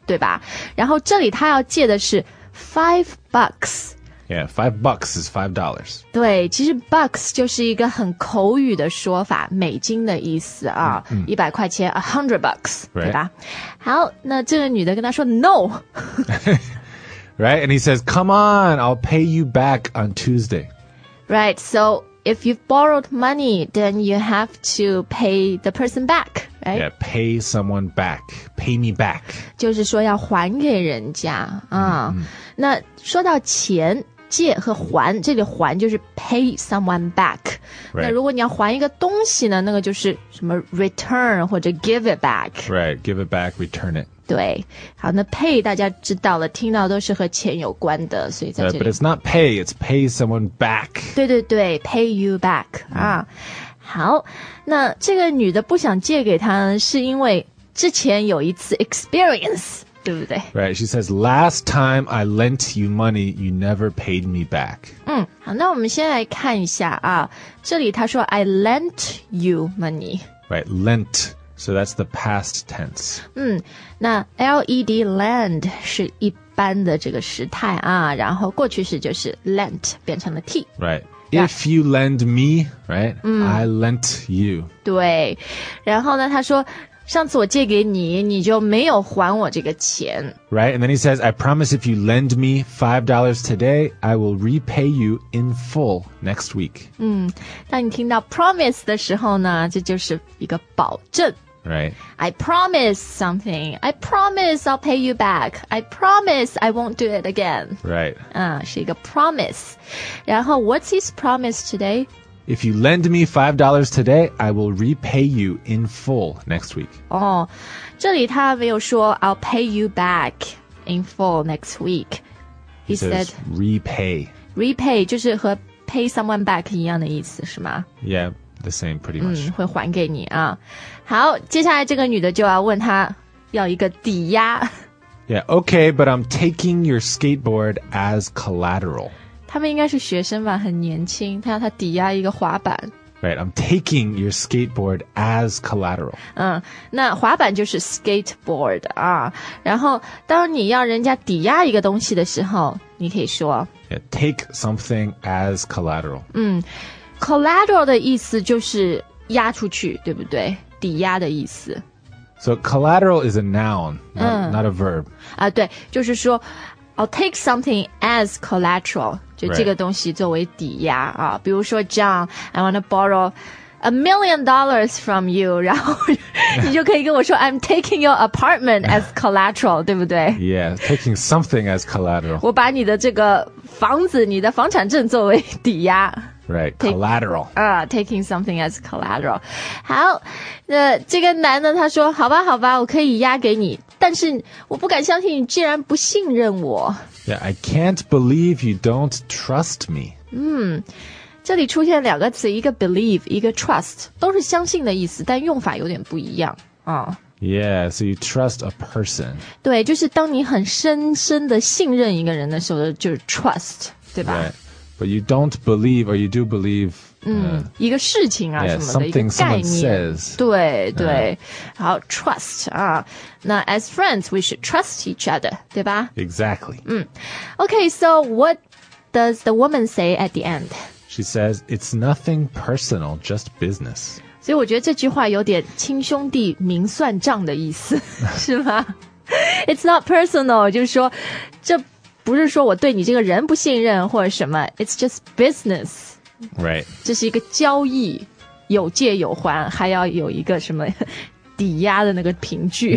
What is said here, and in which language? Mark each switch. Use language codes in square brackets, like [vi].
[zh] 对吧？然后这里他要借的是$5. [en] Yeah, $5 is $5. [zh] 对，其实 bucks 就是一个很口语的说法，美金的意思啊，$100, $100, [en] right. [zh] 对吧？好，那这个女的跟他说 no. [en] Right, and he says, come on, I'll pay you back on Tuesday. Right, so if you've borrowed money, then you have to pay the person back, right? Yeah, pay someone back. Pay me back. [zh] 就是说要还给人家、那说到钱，借和还，这里还就是 [en] pay someone back.、 Right. [zh] 那如果你要还一个东西呢，那个就是什么 return 或者 [en] give it back. Right, give it back, return it. [zh] 对，好，那 pay 大家知道了，听到都是和钱有关的，所以在这里。 [en] But it's not pay, it's pay someone back. [zh] 对对对 ， [en] pay you back、 [zh] 啊。好，那这个女的不想借给他，是因为之前有一次 experience， 对不对 [en] ？Right, she says last time I lent you money, you never paid me back. [zh] 好，那我们先来看一下啊，这里她说 [en] I lent you money. Right, lent. So that's the past tense. 那 L-E-D, lend, 是一般的这个时态啊，然后过去式就是 lent, 变成了 T. Right. Yeah. If you lend me, right,、I lent you. [zh] 对。然后呢他说上次我借给你你就没有还我这个钱。 [en] Right, and then he says, I promise if you lend me $5 today, I will repay you in full next week. [zh] 当你听到 promise 的时候呢这就是一个保证。 [en] Right. I promise something. I promise I'll pay you back. I promise I won't do it again. Right. [zh] 是一个 [en] promise. [zh] 然后 [en] what's his promise today? If you lend me $5 today, I will repay you in full next week. [zh] 这里他没有说 [en] I'll pay you back in full next week. He said repay. [zh] Repay 就是和 [en] pay someone back [zh] 一样的意思是吗 [en] Yeah, the same pretty much. [zh] 会还给你啊。好，接下来这个女的就要问他要一个抵押。 [en] Yeah, okay, but I'm taking your skateboard as collateral. [zh] 他们应该是学生吧，很年轻。他要他抵押一个滑板。 [en] Right, I'm taking your skateboard as collateral. [zh] 那滑板就是 skateboard 啊。然后，当你要人家抵押一个东西的时候，你可以说 [en] yeah, take something as collateral. [zh] Collateral 的意思就是押出去，对不对？抵押的意思。 [en] So collateral is a noun, not a verb. [zh] 对，就是说。 [en] I'll take something as collateral, [zh] 就这个东西作为抵押、 [en] right. [zh] 啊。比如说 [en] John, I want to borrow $1,000,000 from you, [zh] 然后你就可以跟我说 [en] I'm taking your apartment as collateral, [zh] 对不对 [en] Yeah, taking something as collateral. [zh] 我把你的这个房子你的房产证作为抵押。 [en] Right, collateral. Taking something as collateral. [zh] 好，那这个男的他说好吧好吧我可以押给你。但是我不敢相信你竟然不信任我。 [en] Yeah, I can't believe you don't trust me. [zh] 嗯，这里出现两个词，一个 believe， 一个 trust， 都是相信的意思，但用法有点不一样啊。 [en] Yeah, so you trust a person. [zh] 对，就是当你很深深的信任一个人的时候，就是 trust， 对吧？ [en] Right. But you don't believe, or you do believe. [zh] 一个事情啊 [en] yeah, [zh] 什么的一个概念。 [en] Says. [zh] 对对， [en] uh-huh. [zh] 好 [en] trust [zh] 啊。那 [en] as friends, we should trust each other， [zh] 对吧？ [en] Exactly. Okay, so what does the woman say at the end? She says it's nothing personal, just business. [zh] 所以我觉得这句话有点亲兄弟明算账的意思，是吗？ [en] It's not personal， [zh] 就是说这不是说我对你这个人不信任或者什么， [en] It's just business， right， [zh] 这是一个交易，有借有还，还要有一个什么抵押的那个凭据。